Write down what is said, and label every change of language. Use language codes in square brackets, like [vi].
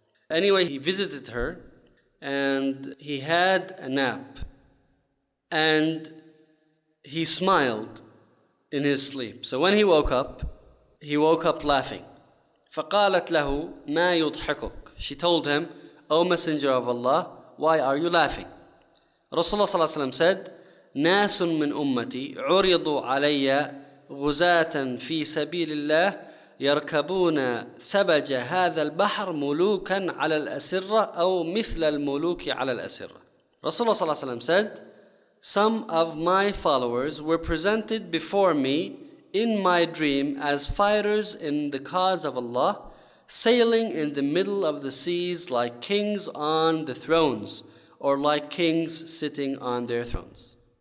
[en] Anyway, he visited her, and he had a nap, and he smiled in his sleep. So when he woke up laughing. [ar] فَقَالَتْ لَهُ مَا يُضْحَكُكُ. [en] She told him, O Messenger of Allah, why are you laughing? [ar] Rasulullah صلى الله عليه وسلم said, نَاسٌ مِنْ أُمَّتِي عُرِضُوا عَلَيَّ غُزَاتًا فِي سَبِيلِ اللَّهِ يركبون ثبج هذا البحر ملوكا على الأسرة أو مثل الملوك على الأسرة. رسول الله صلى الله عليه وسلم [en] said, some of my followers were presented before me in my dream as fighters in the cause of Allah, sailing in the middle of the seas like kings on the thrones, or like kings sitting on their thrones.